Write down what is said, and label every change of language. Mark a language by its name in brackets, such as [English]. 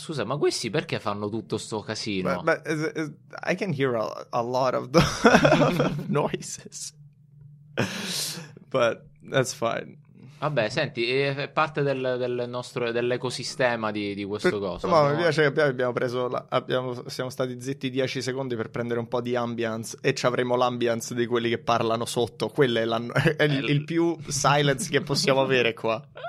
[Italian] scusa, ma questi perché fanno tutto sto casino? [English] I can hear a lot of the noises. But that's fine. [Italian] Vabbè, senti, è parte del nostro dell'ecosistema di questo coso. No, mi piace che siamo stati zitti 10 secondi per prendere un po' di ambience e ci avremo l'ambience di quelli che parlano sotto. Quello è il più silence che possiamo avere qua.